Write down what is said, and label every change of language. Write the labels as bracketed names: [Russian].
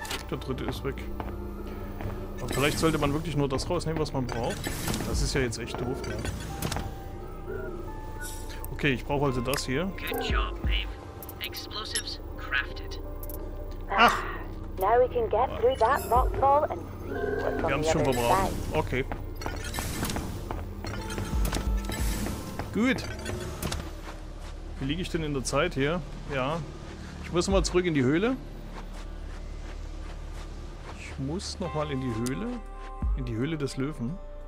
[German] Der dritte ist weg. Aber vielleicht sollte man wirklich nur das rausnehmen, was man braucht. Das ist ja jetzt echt doof, ja. Okay, ich brauche also das hier. [English] Good job, Maeve. Explosives crafted. [German] Ach! [English] Now we can get through that rock wall and see what's on the other side. [German] Wir haben es schon verbraucht. Okay. Gut. Wie liege ich denn in der Zeit hier? Ja. Ich muss nochmal zurück in die Höhle. Ich muss nochmal in die Höhle. In die Höhle des Löwen.